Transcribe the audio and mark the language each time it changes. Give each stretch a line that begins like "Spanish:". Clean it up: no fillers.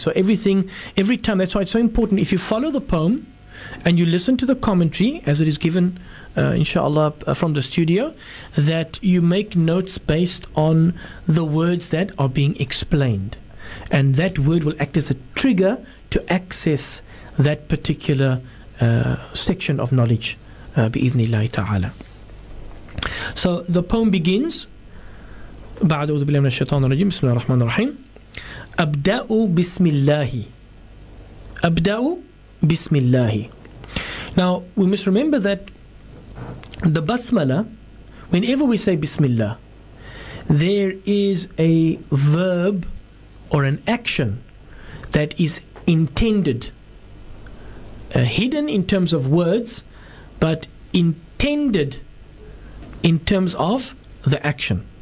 English: So everything, every time, that's why it's so important. If you follow the poem and you listen to the commentary as it is given, inshallah, from the studio, that you make notes based on the words that are being explained. And that word will act as a trigger to access that particular section of knowledge, bi-ithnillahi ta'ala. So the poem begins,
Arabic: بعد أعوذ بالله من الشيطان الرجيم بسم الله الرحمن الرحيم أبدأ بسم الله أبدأ بسم الله.
English: Now we must remember that the basmala, whenever we say bismillah, there is a verb or an action that is intended, hidden in terms of words, but intended in terms of the action.